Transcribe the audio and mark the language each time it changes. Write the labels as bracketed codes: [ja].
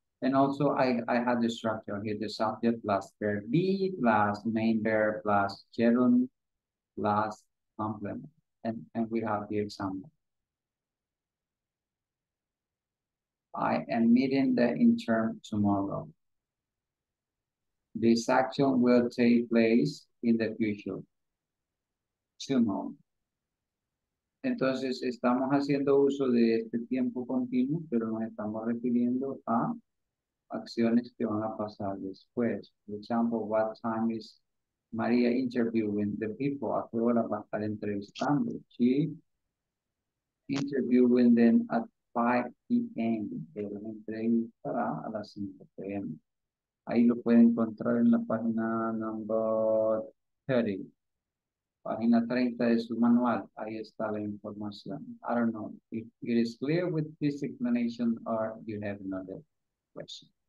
[en] And also, I have the structure here, the subject plus verb be plus main verb plus gerund plus complement. And we have the example. I am meeting the intern tomorrow. This action will take place in the future. Tomorrow. [es] Entonces, estamos haciendo uso de este tiempo continuo, pero nos estamos refiriendo a acciones que van a pasar después. [en] For example, what time is Maria interviewing the people? [es] ¿A qué hora va a estar entrevistando? [en] She interviewing them at 5 p.m. [es] Ella entrevistará a las 5 p.m. Ahí lo pueden encontrar en la página number 30. Página 30 de su manual, ahí está la información. [en] I don't know if it is clear with this explanation or you have another question.